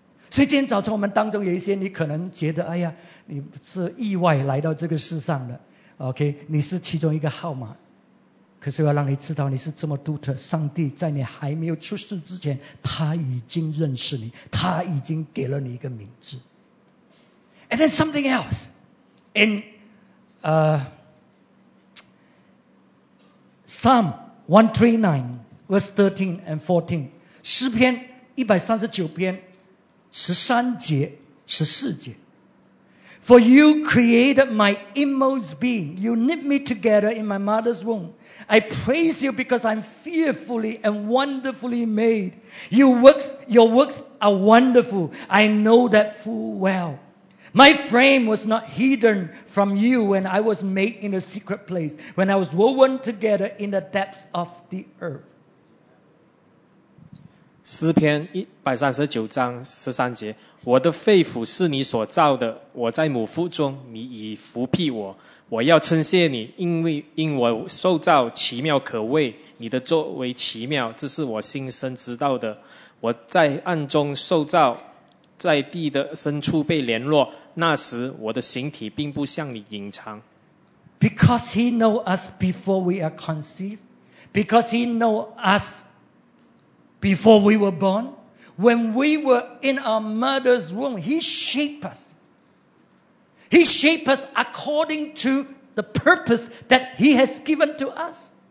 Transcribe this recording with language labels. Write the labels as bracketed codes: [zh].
[zh] 所以今天早晨我们当中有一些你可能觉得，哎呀，你是意外来到这个世上的。 OK, 你是其中一个号码。可是我要让你知道你是这么独特，上帝在你还没有出世之前，他已经认识你，他已经给了你一个名字。 [en] And then something else. In Psalm 139 verse 13 and 14, [zh] 诗篇139篇13节14节 [en] For you created my inmost being, you knit me together in my mother's womb. I praise you because I'm fearfully and wonderfully made. Your works are wonderful. I know that full well. My frame was not hidden from you when I was made in a secret place, when I was woven together in the depths of the earth. [zh] 诗篇139章13节，我的肺腑是你所造的，我在母腹中，你已扶庇我。我要称谢你，因我受造奇妙可畏，你的作为奇妙，这是我心生知道的。我在暗中受造，在地的深处被联络，那时我的形体并不向你隐藏。 [en] Because he know us before we are conceived, because he know us before we were born, when we were in our mother's womb, he shaped us. He shaped us according to the purpose that he has given to us.